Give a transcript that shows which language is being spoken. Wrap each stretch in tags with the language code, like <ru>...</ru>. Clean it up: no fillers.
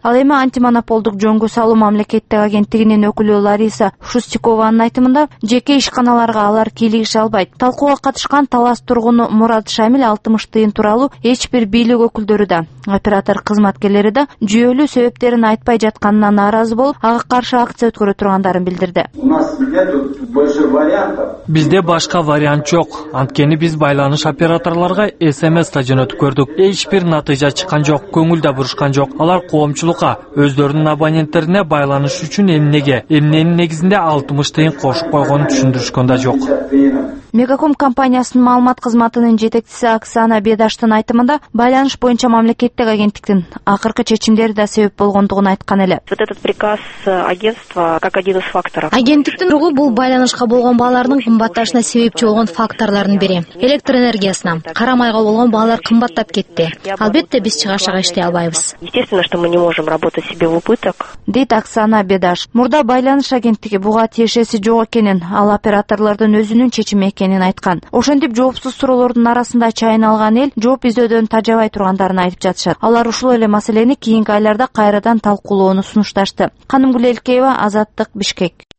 <ky>Ал эми антимонополдук жөнгө салуу мамлекеттик агенттигинин өкүлү Лариса Шустикованын айтымында жеке ишканаларга алар кийлигише албайт. Талкууга катышкан Талас тургуну Мурат Шамил 60 тыйын тууралуу эч бир бийлик өкүлдөрү да оператор кызматкерлери да жүйөлүү себептерин айтпай жатканына нааразы болуп, ага каршы акция өткөрө тургандарын билдирди.</ky> <ru>У нас нету больше вариантов.</ru> <ky>Бизде башка вариант жок. Анткени биз байланыш операторлорго SMS да жөнөткөрдүк. Эч бир натыйжа чыккан жок, көңүл да бурушкан жок. Алар коомчулукка, өздөрүнүн абоненттерине байланыш үчүн эмнеге, эмненин негизинде 60 тыйын кошуп койгонун түшүндүрүшкөн да жок. Мегаком компаниясынын маалымат кызматынын жетекчиси Оксана Бедаштын айтымында байланыш боюнча мамлекеттик агенттиктин акыркы чечимдери да себеп болгондугун айткан эле.</ky> <ru>Вот этот приказ агентства как один из факторов.</ru> <ky>Агенттиктин ругу бул байланышка болгон баалардын кымбатташына себепчи болгон факторлордун бири. Электр энергиясына карамайга болгон баалар кымбаттап кетти. Албетте биз чыгашага иштей албайбыз.</ky> <ru>Естественно, что мы не можем работать себе в убыток.</ru> <ky>Дейт Оксана Бедаш. Мурда байланыш агенттиги буга тиешеси жок экенин, ал операторлордун өзүнүн чечими экенин айткан. Ошентип жоопсуз суроолордун арасында чайын алган эл жооп издөөдөн тажабай тургандарын айтып жатышат. Алар ушул эле маселени кийинки айларда кайрадан талкуулоону сунушташты. Канымгүл Элкеева, Азаттык, Бишкек.</ky>